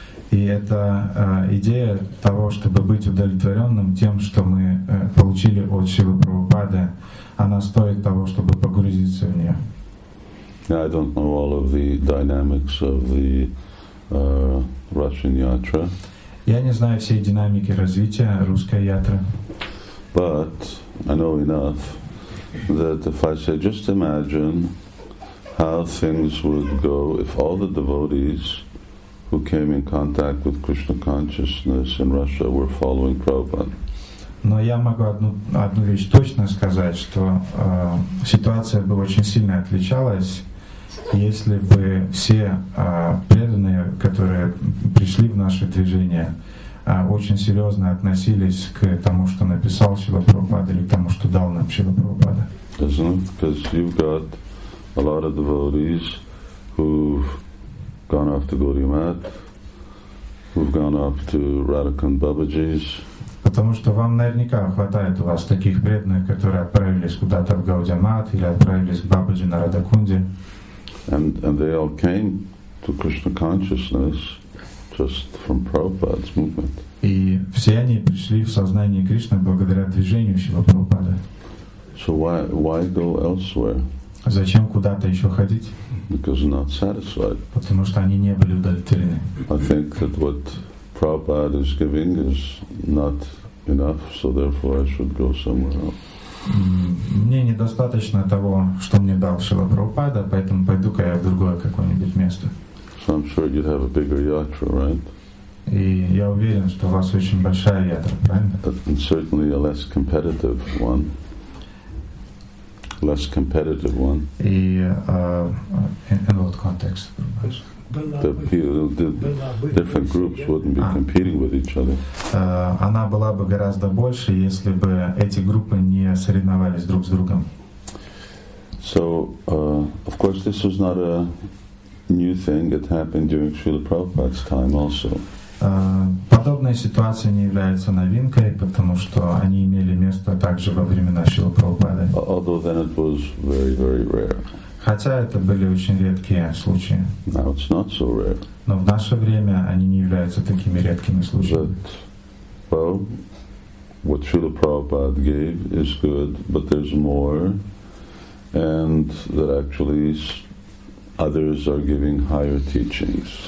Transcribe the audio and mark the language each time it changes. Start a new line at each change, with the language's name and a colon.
Russian: И это идея того, чтобы быть удовлетворенным тем, что мы получили от Шрилы Прабхупады, она стоит того, чтобы погрузиться в нее.
English: Now, I don't know all of the dynamics of the Russian yatra.
Russian: Я не знаю всей динамики развития русской ятры.
English: But I know enough that if I say, just imagine how things would go if all the devotees who came in contact with Krishna consciousness in Russia were following Prabhupada.
Russian: Но я могу одну вещь точно сказать, что ситуация бы очень сильно отличалась, если бы все преданные, которые пришли в наше движение, очень серьезно относились к тому, что написал Шрила Прабхупада или к тому, что дал нам Шрила Прабхупада.
English: Because you've got a lot of devotees who gone off to Gauri Math, who've gone off to Radhakant Babaji's.
Russian: Потому что вам наверняка хватает у вас таких преданных, которые отправились куда-то в Gaudiya Math или отправились к Бабаджи на Радакунде.
English: And they all came to Krishna consciousness just from Prabhupada's movement.
Russian: И все они пришли в сознание Кришны благодаря движению Шрилы Прабхупады.
English: So why go elsewhere?
Russian: Зачем куда-то еще ходить?
English: Because not satisfied.
Russian: Потому что они не были удовлетворены.
English: I think that what Prabhupada is giving is not enough, so therefore I should go somewhere else.
Russian: Мне недостаточно того, что мне дал Шрила Прабхупада, поэтому пойду-ка я в другое какое-нибудь место.
English: So I'm sure you have a bigger yatra, right?
Russian: И я уверен, что у вас очень большая ятра, правильно?
English: And certainly a less competitive one. Less competitive one. In what context? The different groups wouldn't be competing with each other.
Russian: Она была бы гораздо больше, если бы эти группы не соревновались друг с другом.
English: So, of course, this was not a new thing. It happened during Srila Prabhupada's time also.
Russian: Подобные ситуации не являются новинкой, потому что они имели место также во времена Шрилы Прабхупады.
English: Although then it was very, very rare.
Russian: Хотя это были очень редкие случаи.
English: Now it's not so rare.
Russian: Но в наше время они не являются такими редкими случаями.
English: But, well, what Srila Prabhupada gave is good, but there's more, and that actually others are giving higher teachings.